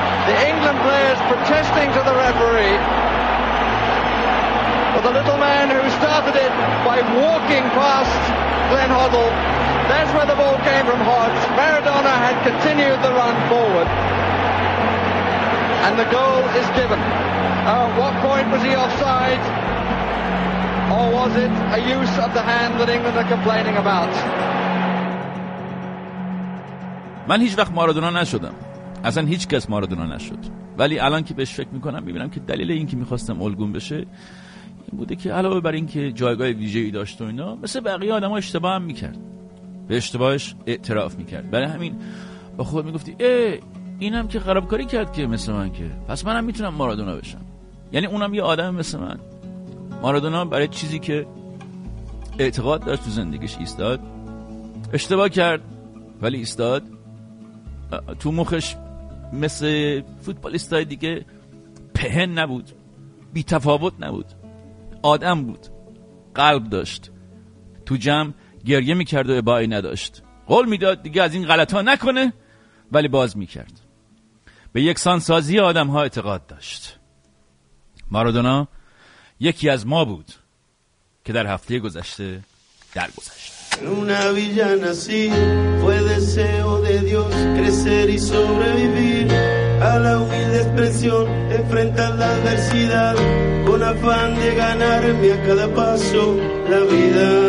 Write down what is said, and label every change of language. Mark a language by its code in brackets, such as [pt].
[en] The England players protesting to the referee, but the little man who started it by walking past Glenn Hoddle, that's where the ball came from Hodge. Maradona had continued the run forward, and the goal is given. What point was he offside? Or was it a use of the hand that England are complaining about? [fa] من هیچ وقت مارادونا نشدم. اصلا هیچ کس مارادونا نشد. ولی الان که بهش فکر میکنم میبینم که دلیل این که میخواستم الگون بشه این بوده که علاوه بر این که جایگاه ویژه‌ای داشت و اینا، مثل بقیه آدم‌ها اشتباه هم میکرد، به اشتباهش اعتراف میکرد. برای همین با خود میگفتی ای اینم که خرابکاری کرد که مثل من، که پس منم میتونم مارادونا بشم، یعنی اونم یه آدم مثل من. مارادونا برای چیزی که اعتقاد داشت تو زندگیش ایستاد، اشتباه کرد ولی ایستاد. تو مخش مثل فوتبالیستای دیگه پهن نبود، بی تفاوت نبود، آدم بود، قلب داشت. تو جمع گریه میکرد و ابایی نداشت، قول میداد دیگه از این غلط ها نکنه ولی باز میکرد. به یکسان سازی آدم ها اعتقاد داشت. مارادونا یکی از ما بود که در هفته گذشته درگذشت. [es] En una villa nací, fue deseo de Dios crecer y sobrevivir a la humilde expresión, enfrentar la adversidad con afán de ganarme a cada paso la vida.